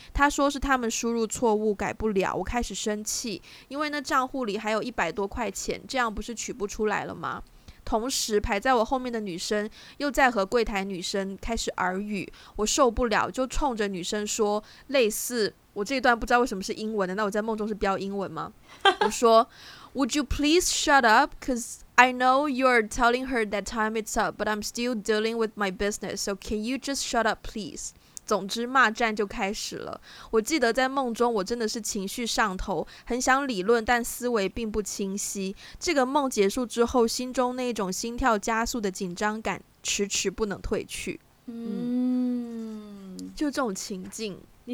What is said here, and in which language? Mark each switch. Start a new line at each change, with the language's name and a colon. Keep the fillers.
Chinese: 她说是他们输入错误，改不了。我开始生气，因为那账户里还有一百多块钱，这样不是取不出来了吗？同时排在我后面的女生又在和柜台女生开始耳语，我受不了，就冲着女生说类似我这一段不知道为什么是英文的，那我在梦中是标英文吗？我说
English: Would you please shut up? Cause I know you're telling her that time is up, but I'm still dealing with my business. So can you just shut up, please?
Chinese: 总之，骂战就开始了。我记得在梦中，我真的是情绪上头，很想理论，但思维并不清晰。这个梦结束之后，心中那种心跳加速的紧张感迟迟不能退去。嗯，mm. 就这种情境，你